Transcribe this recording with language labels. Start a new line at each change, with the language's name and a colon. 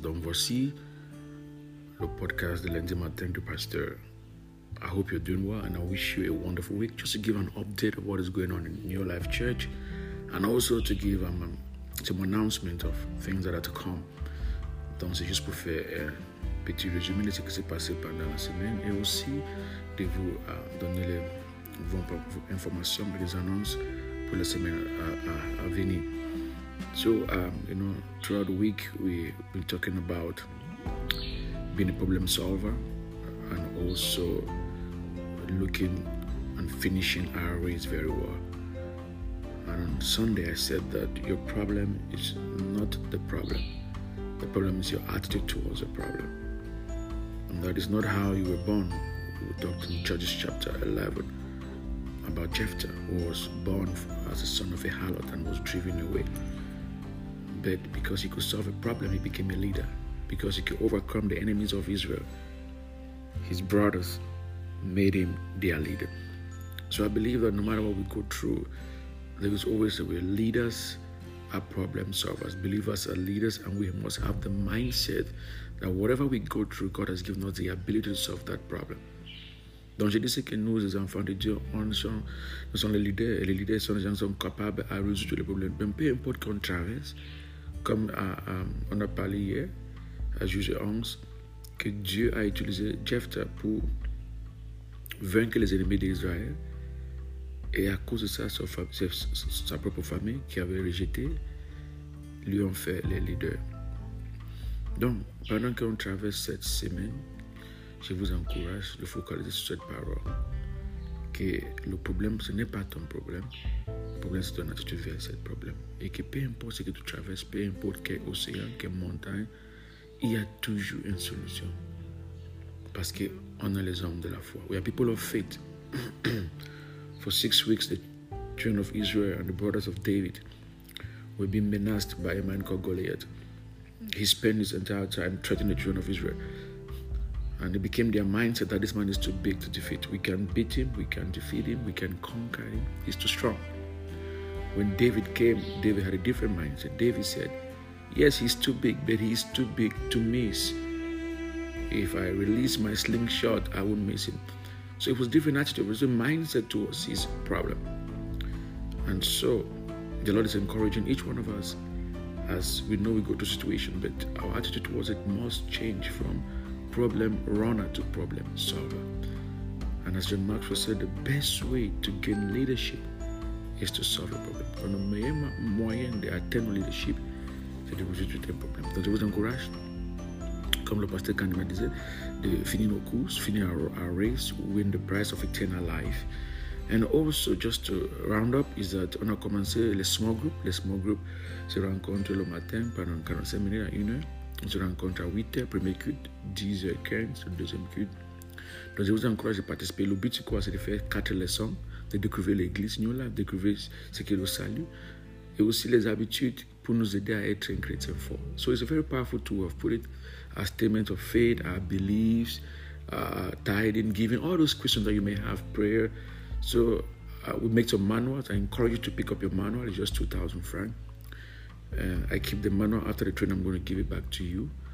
French: Donc voici le podcast de lundi matin du pasteur.
English: I hope you're doing well and I wish you a wonderful week. Just to give an update of what is going on in your life church and also to give some announcement of things that are to come.
French: Donc c'est juste pour faire un petit résumé de ce qui s'est passé pendant la semaine et aussi de vous donner les informations et les annonces pour la semaine à venir.
English: So, you know, throughout the week, we've been talking about being a problem solver and also looking and finishing our race very well. And on Sunday, I said that your problem is not the problem. The problem is your attitude towards the problem. And that is not how you were born. We talked in Judges chapter 11 about Jephthah, who was born as a son of a harlot and was driven away. But because he could solve a problem, he became a leader. Because he could overcome the enemies of Israel, his brothers made him their leader. So I believe that no matter what we go through, there is always a way. Leaders are problem solvers. Believers are leaders, and we must have the mindset that whatever we go through, God has given us the ability to solve that problem.
French: Donc je dis que nous, les enfants de Dieu, nous sommes les leaders, et les leaders sont les gens qui sont capables à résoudre les problèmes. Mais peu importe qu'on traverse, comme on a parlé hier, à Juge 11, que Dieu a utilisé Jephthah pour vaincre les ennemis d'Israël. Et à cause de ça, sa propre famille, qui avait rejeté, lui ont fait les leaders. Donc, pendant qu'on traverse cette semaine, je vous encourage de focaliser sur cette parole. Que le problème, ce n'est pas ton problème. Le problème, c'est ton attitude vers ce problème. Et que peu importe ce que tu traverses, peu importe quel océan, quelle montagne, il y a toujours une solution. Parce qu'on est les hommes de la foi.
English: We are people of faith. For 6 weeks, the children of Israel and the brothers of David were being menaced by a man called Goliath. He spent his entire time threatening the children of Israel. And it became their mindset that this man is too big to defeat. We can beat him, we can defeat him, we can conquer him. He's too strong. When David came, David had a different mindset. David said, yes, he's too big, but he's too big to miss. If I release my slingshot, I won't miss him. So it was a different attitude. It was a mindset towards his problem. And so the Lord is encouraging each one of us as we know we go through situation, but our attitude towards it must change from problem runner to problem solver. And as John Maxwell said, the best way to gain leadership is to solve a problem.
French: Le meilleur moyen d'atteindre leadership, c'est de résoudre un problème. Donc je vous encourage, comme le pasteur Kandima disait, de finir nos courses, finir
English: our race, win the prize of eternal life. And also, just to round up, is that
French: on a commencé les
English: small groups.
French: Les small groups se rencontrent le matin pendant 45 minutes à 1 heure. On se rencontre à 8h, premier culte, 10h15, deuxième culte. Donc je vous encourage de participer. Le but c'est quoi? C'est de faire 4 leçons, de découvrir l'église, New Life, découvrir ce qu'est le salut, et aussi les habitudes pour nous aider à être un chrétien fort.
English: So it's a very powerful tool. I've put it as statement of faith, our beliefs, tithing, giving, all those questions that you may have, prayer. So we make some manuals. I encourage you to pick up your manual. It's just 2,000 francs. I keep the manual after the training. I'm going to give it back to you.